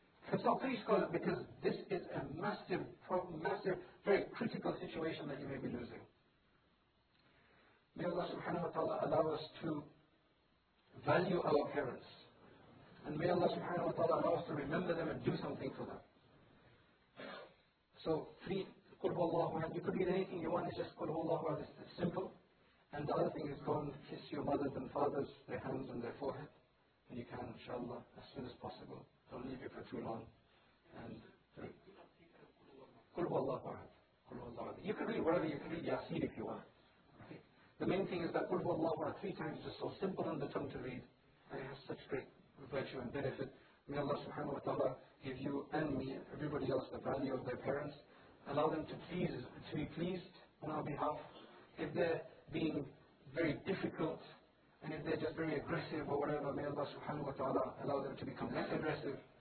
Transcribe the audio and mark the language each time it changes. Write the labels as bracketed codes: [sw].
[en] Consult three scholars, because this is a massive, very critical situation that you may be losing. May Allah subhanahu wa ta'ala allow us to value our parents. And may Allah subhanahu wa ta'ala allow us to remember them and do something for them. So, three, [ar] قُلْ هُوَ اللَّهُ أَحَدٌ. [en] You could read anything you want, it's just [ar] قُلْ هُوَ اللَّهُ أَحَدٌ. [en] It's simple. And the other thing is go and kiss your mothers and fathers, their hands and their forehead. And you can, inshallah, as soon as possible. Don't leave it for too long. [ar] And قُلْ هُوَ اللَّهُ أَحَدٌ. [en] You could read whatever, you can read Yasin if you want. The main thing is that [ar] قُلْ هُوَ اللَّهُ أَحَدٌ [en] three times is just so simple on the tongue to read. And it has such great virtue and benefit. May Allah subhanahu wa ta'ala give you and me, everybody else, the value of their parents. Allow them to be pleased on our behalf. If they're being very difficult, and if they're just very aggressive or whatever, may Allah subhanahu wa ta'ala allow them to become less aggressive.